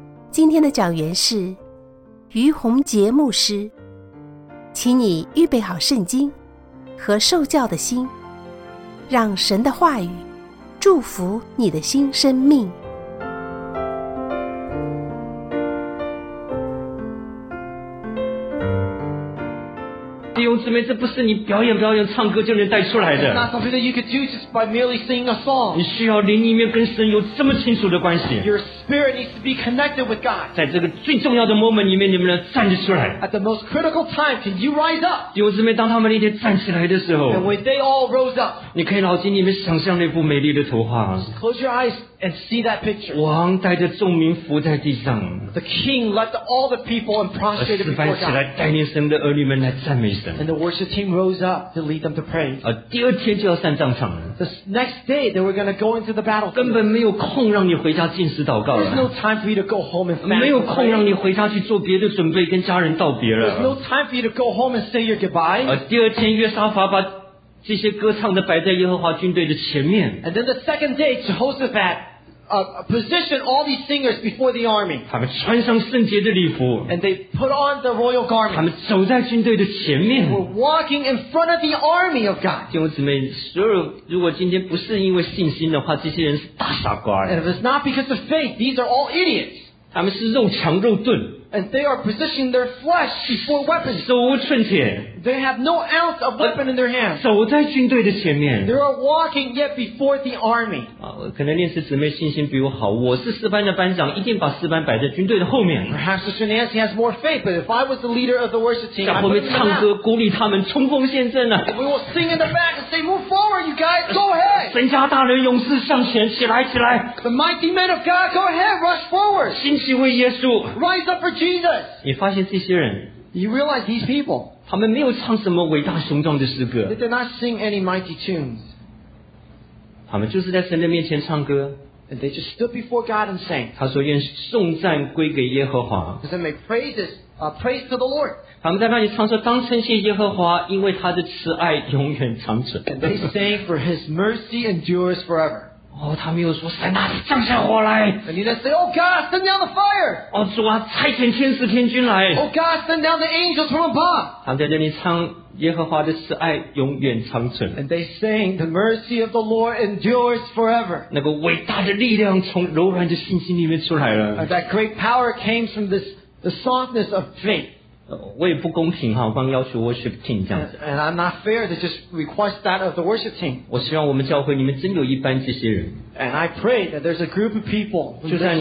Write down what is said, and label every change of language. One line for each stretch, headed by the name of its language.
Chinese: 今天的讲员是于洪杰牧师，请你预备好圣经和受教的心，让神的话语祝福你的新生命。弟兄姊妹，这不是你表演表演唱歌就能带出来的。
English: It's not something that you could do just by merely singing a song.
Chinese: 你需要灵里面跟神有这么清楚的关系。
English: Your spirit needs to be connected with God.
Chinese: 在这个最重要的 moment 里面，你们能站得出来。
English: At the most critical time, can you rise up?
Chinese: 弟兄姊妹，当他们那天站起来的时候
English: ，And when they all rose up,
Chinese: 你可以脑筋里面想象那幅美丽的图画。
English: Close your eyes and see that picture.
Chinese: 王带着众民伏在地上。
English: The king led all the people and prostrated before God.
Chinese: 而示范起来，带领神的儿女们来赞美神。
English: And the worship team rose up to lead them to praise.
Chinese: 第二天就要上战场了。
English: The next day they were going to go into the battle.
Chinese: 根本没有空让你回家进食祷告了。
English: There's no time for you to go home and fast.
Chinese: 没有空让你回家去做别的准备，跟家人道别了。
English: There's no time for you to go home and say your goodbye.
Chinese: 第二天约沙法把这些歌唱的摆在耶和华军队的前面。
English: And then the second day Jehoshaphat. Position all these singers before the army.
Chinese: 他们穿上圣洁的礼服。
English: And they put on the royal garment.
Chinese: 他们走在军队的前面。
English: They were walking in front of the army of God.
Chinese: 弟兄姊妹，所有如果今天不是因为信心的话，这些人是大傻瓜。
English: And if it's not because of faith, these are all idiots.
Chinese: 他们是肉强肉钝。
English: And they are positioning their flesh before weapons.
Chinese: 手无寸铁。
English: They have no ounce of weapon in their hands.
Chinese: 走在军队的前面。
English: They are walking yet before the army.
Chinese: 可能练士姊妹信心比我好。我是四班的班长，一定把四班摆在军队的后面。
English: Perhaps Sister Nancy has more faith, but if I was the leader of the worship team,
Chinese: 在后面唱歌鼓励他们冲锋陷阵呢。
English: We will sing in the back and say, "Move forward, you guys, go ahead."
Chinese: 神家大人勇士向前，起来，起来。
English: The mighty men of God, go ahead, rush forward.
Chinese: 兴起为耶稣。
English: Rise up for Jesus.
Chinese: 你发现这些人。
English: You realize these people.
Chinese: 他们没有唱什么伟大雄壮的诗歌。
English: They did not sing any mighty tunes.
Chinese: 他们就是在神的面前唱歌。
English: And they just stood before God and sang.
Chinese: 他说愿颂赞归给耶和华。
English: He said may praises, praise to the Lord.
Chinese: 他们在那里唱说当称谢耶和华，因为他的慈爱永远长存。
English: And they sang for his mercy endures forever.
Chinese: 他们又说神啊降下火来。
English: And you then say, Oh God, send down the fire.
Chinese: 主啊差遣天使天君来。
English: Oh God, send down the angels from above.
Chinese: 他们在这里唱耶和华的慈爱永远长存。
English: And they sang, The mercy of the Lord endures forever.
Chinese: 那个伟大的力量从柔软的信心里面出来了。
English: That great power came from this, the softness of faith.
Chinese: 我也不公平哈，光要求 worship team 这样子。
English: And I'm not fair to just request that of the worship team.
Chinese: 我希望我们教会里面真有一班这些人。
English: And I pray that there's a group of people in this church.